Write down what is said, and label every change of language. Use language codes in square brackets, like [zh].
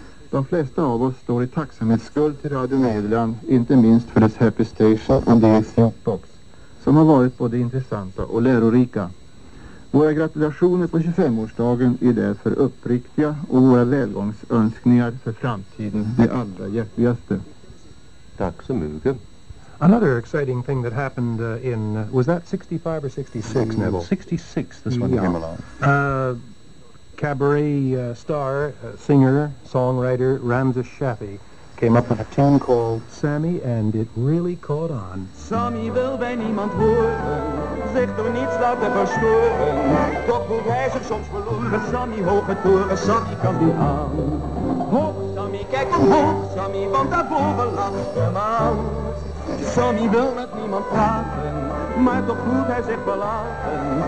[sv] De flesta av oss står i tacksamhetsskuld till Radio Nederland, inte minst för dess Happy Station och dess Jukebox, som har varit både intressanta och lärorika. Våra gratulationer på 25-årsdagen är därför uppriktiga och våra välgångsönskningar för framtiden det allra hjärtligaste. Tack så mycket. [en] Another exciting thing that happened in, was that 65 or 66, Neville? 66, this one came along. Cabaret star, singer, songwriter, Ramses Shafi came up with a tune called Sammy, and it really caught on. [nl] Sammy wil bij niemand horen, zich door niets laten verstoren. Toch voelt hij zich soms verloren. Sammy, hoge toren, Sammy kan die aan. Hoog, Sammy, kijk omhoog, Sammy, want daarboven lacht de maan. Sammy wil met niemand praten, maar toch voelt hij zich verlaten.